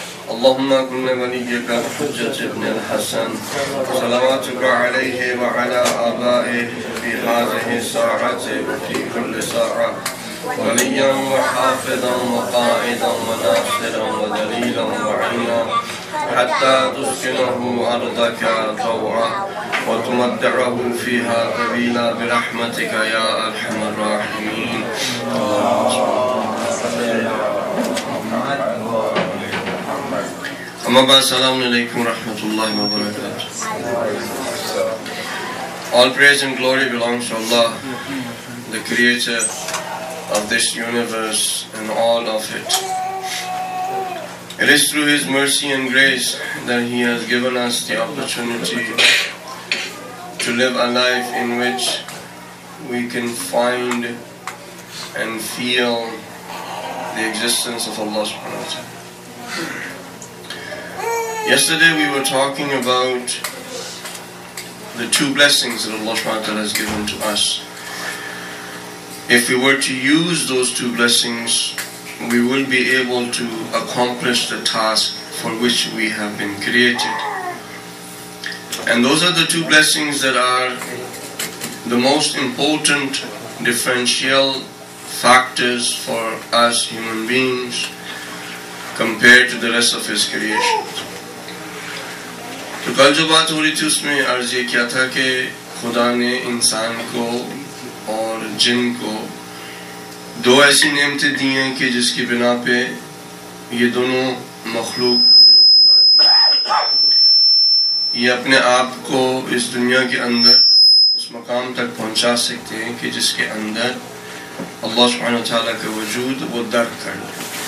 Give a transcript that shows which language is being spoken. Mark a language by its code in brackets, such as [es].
[ar] اللهم كن وليك الحجة ابن الحسن، صلواتك عليه وعلى آبائه في هذه الساعة وفي كل ساعة، وليا وحافظا وقائدا وناصرا ودليلا وعينا، حتى تسكنه أرضك طوعا وتمتعه فيها قليلا برحمتك يا أرحم الراحمين. أما بعد، السلام عليكم ورحمة الله وبركاته. [en] All praise and glory belongs to Allah, the creator of this universe and all of it. It is through His mercy and grace that He has given us the opportunity to live a life in which we can find and feel the existence of Allah subhanahu wa ta'ala. Yesterday we were talking about the two blessings that Allah subhanahu wa ta'ala has given to us. If we were to use those two blessings, we will be able to accomplish the task for which we have been created. And those are the two blessings that are the most important differential factors for us human beings compared to the rest of His creation. [ur] تو کل جو بات ہو رہی تھی اس میں عرض یہ کیا تھا کہ خدا نے انسان کو اور جن کو دو ایسی نعمتیں دی ہیں کہ جس کی بنا پہ یہ دونوں مخلوق یہ اپنے آپ کو اس دنیا کے اندر اس مقام تک پہنچا سکتے ہیں کہ جس کے اندر اللہ سبحانہ وتعالیٰ کا وجود وہ درک کر لیں.